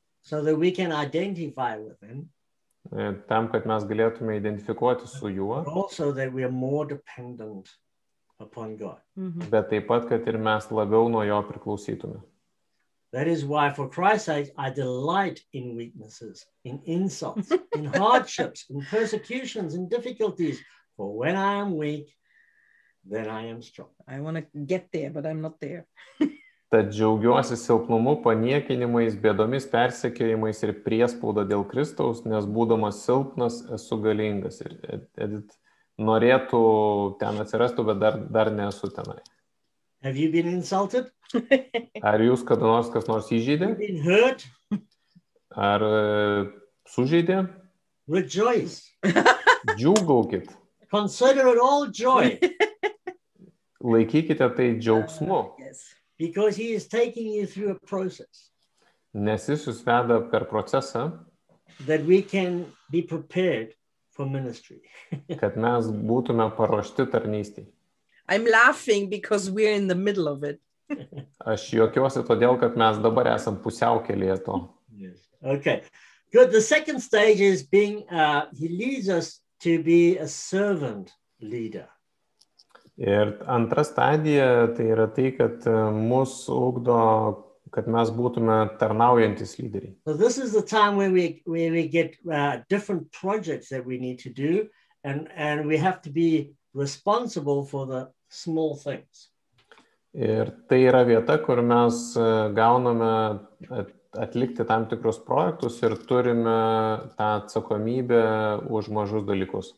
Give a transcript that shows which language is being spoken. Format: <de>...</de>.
<en>So that we can identify with him.</en> <lt>Tam, kad mes galėtume identifikuoti su juo.</lt> <en>But also that we are more dependent upon God. Mm-hmm.</en> <lt>Bet taip pat, kad ir mes labiau nuo jo priklausytume.</lt> <en>That is why for Christ's sake I delight in weaknesses, in insults, in hardships, in persecutions, in difficulties. For when I am weak, then I am strong. I want to get there, but I'm not there.</en> <lt>Tad džiaugiuosi silpnumu, paniekinimais, bėdomis, persekiojimais ir priespauda dėl Kristaus, nes būdamas silpnas, esu galingas. Ir Edith norėtų ten atsirastų, bet dar nesu tenai.</lt> <en>Have you been insulted?</en> <lt>Ar jūs kada nors kas nors įžeidė?</lt> <en>Have you been hurt?</en> <lt>Ar sužeidė?</lt> <en>Rejoice.</en> <lt>Džiūgaukit.</lt> <en>Consider it all joy.</en> <lt>Laikykite tai džiaugsmu.</lt> <en>Yes. Because he is taking you through a process.</en> <lt>Nes jis jūs veda per procesą.</lt> <en>That we can be prepared for ministry.</en> <lt>Kad mes būtume paruošti tarnystei.</lt> <en>I'm laughing because we're in the middle of it.</en> <lt>Aš juokiuosi todėl, kad mes dabar esam pusiaukelėje to.</lt> <en>Yes. Okay. Good. The second stage is being, he leads us to be a servant leader.</en> <lt>Ir antra stadija tai yra tai, kad mus ugdo, kad mes būtume tarnaujantis lyderiai.</lt> <en>So this is the time where we get different projects that we need to do and we have to be responsible for the small things.</en> <lt>Ir tai yra vieta, kur mes gauname atlikti tam tikrus projektus ir turime tą atsakomybę už mažus dalykus.</lt>